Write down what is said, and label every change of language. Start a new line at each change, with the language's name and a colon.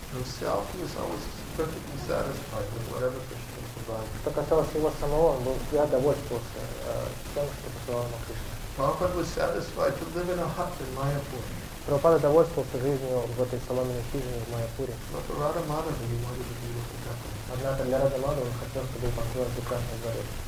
English: Himself, he was always perfectly satisfied with whatever Krishna provided.
Russian: Что касалось его самого, он был всегда довольствовался тем, что посылал ему Кришна.
English: Prabhupada was satisfied to live in a hut in Mayapur.
Russian: Прабхупада довольствовался жизнью в этой соломенной хижине в Майяпуре.
English: But for Radha Madhava, he wanted to be a beautiful temple.
Russian: Однако для Радха Мадхавы хотел, чтобы он построил прекрасный дворец.